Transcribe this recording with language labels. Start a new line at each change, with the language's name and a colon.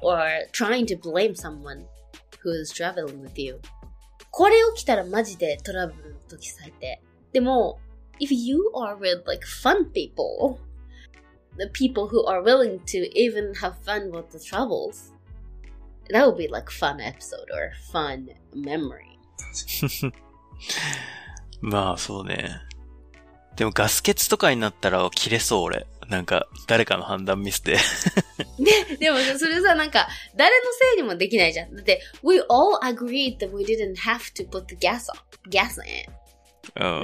English: or trying to blame someone who is traveling with you.
Japanese: これ起きたらマジでトラブルの時最低。でも、
English: if you are with like fun people, the people who are willing to even have fun with the troubles, that would be like fun episode or fun memory.
Japanese: 確かに。まあそうね。でもガス欠とかになったら切れそう俺。なんか誰かの判断ミスで。でもそれさなんか誰のせいにもできないじゃん。だって
English: we all agreed that we didn't have to put the gas in。